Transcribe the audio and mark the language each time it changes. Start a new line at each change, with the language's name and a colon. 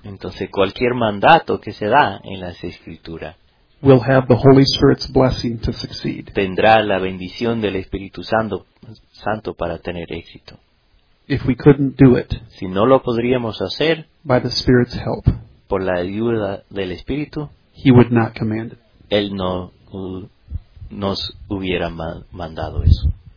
Spanish: Entonces, cualquier mandato que se da en las Escrituras.
English: Will have the Holy Spirit's blessing to succeed.
Spanish: Tendrá la bendición del Espíritu Santo para tener éxito.
English: If we couldn't do it.
Spanish: Si no lo podríamos hacer.
English: By the Spirit's help.
Spanish: Por la ayuda del Espíritu.
English: He would not command it.
Spanish: Él no nos hubiera mandado eso.